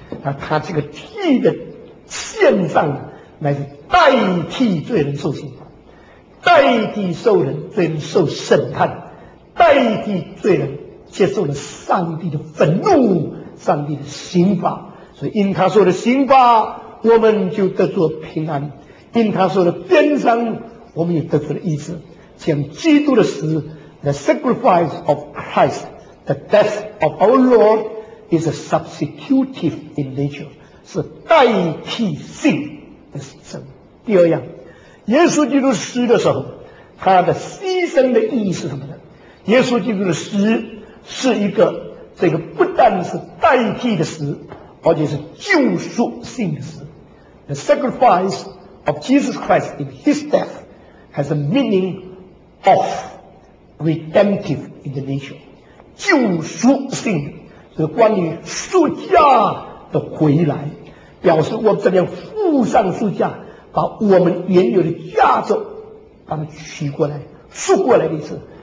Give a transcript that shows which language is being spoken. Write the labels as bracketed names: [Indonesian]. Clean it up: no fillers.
[Chinese] 那他这个替的献上乃是代替罪人受刑，代替受人罪人受审判，代替罪人接受了上帝的愤怒，上帝的刑罚。所以因他受的刑罚，我们就得着平安，因他受的鞭伤，我们也得着了医治。将基督的死， [English] The sacrifice of Christ, the death of our Lord is a substitutive in nature, [Chinese] 是代替性的牺牲。第二样，耶稣基督死的时候，他的牺牲的意义是什么呢？耶稣基督的死是一个，这个不但是代替的死，而且是救赎性的死。 [English] The sacrifice of Jesus Christ in his death has a meaning of redemptive in the nature, [Chinese] 救赎性的，是关于赎价的回来，表示我们这边付上赎价，把我们原有的价值把它取过来赎过来的意思。